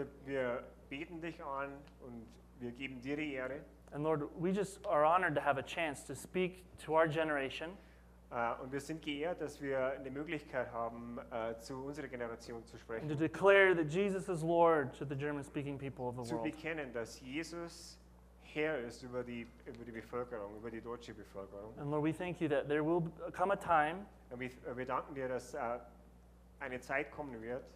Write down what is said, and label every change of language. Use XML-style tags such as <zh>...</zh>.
<de>Wir beten dich an und wir geben dir die Ehre.</de> <en>And Lord, we just are honored to have a chance to speak to our generation.</en> <de>Und wir sind geehrt, dass wir eine Möglichkeit haben, zu unserer Generation zu sprechen.</de> <en>And to declare that Jesus is Lord to the German-speaking people of the</en> <de>zu</de> <en>world.</en> <de>Zu bekennen, dass Jesus Herr ist über die Bevölkerung, über die deutsche Bevölkerung.</de> <en>And Lord, we thank you that there will come a time.</en> <de>Und wir danken dir, dass eine Zeit kommen wird.</de>